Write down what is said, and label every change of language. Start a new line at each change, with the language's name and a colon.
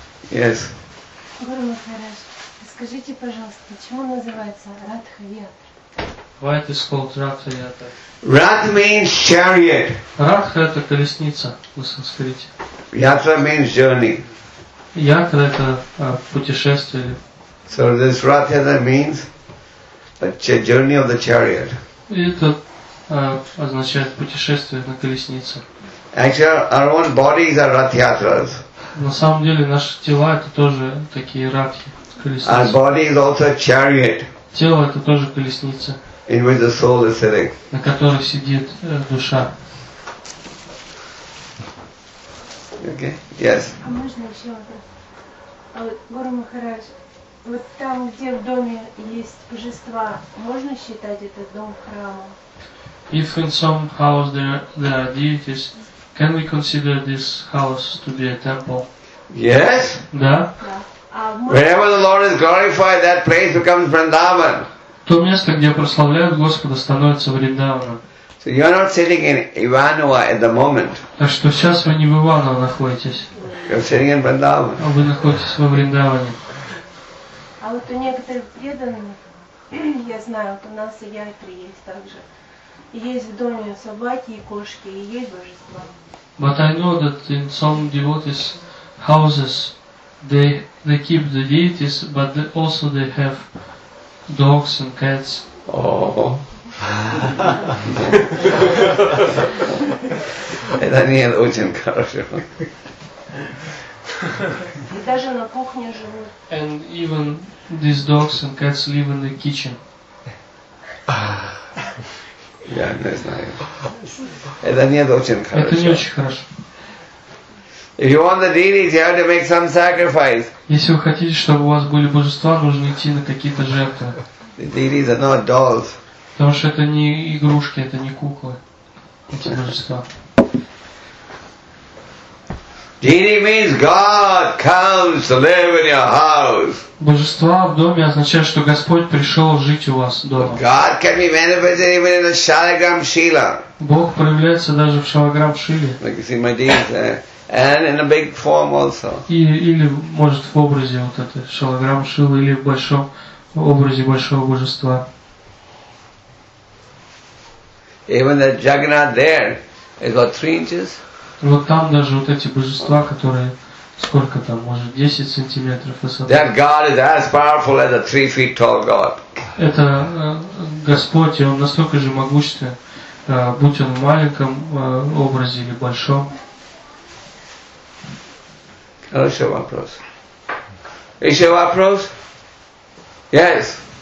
English: Yes.
Russian: Гуру Махарадж, скажите, пожалуйста, почему называется Радха-ветра?
English: Why it is called Ratha-yata? Rath means chariot.
Russian: Ratha – это колесница в санскрите.
English: Yatra means journey.
Russian: Yatra – это путешествие.
English: So this Ratha-yata means the journey of the chariot.
Russian: Это означает путешествие на колеснице.
English: Actually, our own bodies are Ratha-yatras.
Russian: На самом деле, наши тела – это тоже такие Ратхи, колесницы.
English: Our body is also a chariot.
Russian: Тело – это тоже колесница.
English: In which the soul is sitting.
Russian: На которой сидит душа.
English: Okay. Yes.
Russian: А можно еще вопрос? А вот Гуру Махарадж, вот там, где в доме есть божества, можно считать этот дом храмом?
English: If in some house there are deities, can we consider this house to be a temple? Yes.
Russian: Да.
English: Wherever the Lord is glorified, that place becomes Vrindavan.
Russian: То место, где прославляют Господа, становится Вриндаваном.
English: So you're not sitting in Ivanova at the moment.
Russian: Так что сейчас вы не в Иваново находитесь.
English: You're sitting in Vrindavan.
Russian: А вы находитесь во Вриндаване. А вот у некоторых преданных, я знаю, вот у нас и Яйтри есть также. есть в доме собаки и кошки, и есть божества.
English: But I know that in some devotees' houses, they keep the deities, but they also they have dogs and cats. Oh.
Russian: Это не очень хорошо. И даже на кухне живут.
English: And even these dogs and cats live in the kitchen.
Russian: Я не знаю. Это не очень хорошо. Это не очень хорошо.
English: If you want the deities, you have to make some sacrifice.
Russian: Если вы хотите, чтобы у вас были божества, нужно идти на какие-то жертвы.
English: The deities are not dolls.
Russian: Потому что это не игрушки, это не куклы, эти божества.
English: Deity means God comes to live in your house.
Russian: Божества в доме означает, что Господь пришел жить у вас дома.
English: But God can be manifested even in a shalagram shila.
Russian: Бог проявляется даже в шалаграм шиле.
English: Like you see my deities there. And in a big form also.
Russian: Или может в образе вот это шалаграм шила или в большом образе большого божества.
English: Even the Jagannath there is about 3 inches.
Russian: Вот там даже вот эти божества, которые сколько там, может, 10 сантиметров высотой.
English: That God is as powerful as a 3-foot-tall God.
Russian: Это Господь, и Он настолько же могущественен, будь Он в маленьком образе или большом. Хороший вопрос. Еще вопрос?
English: Yes.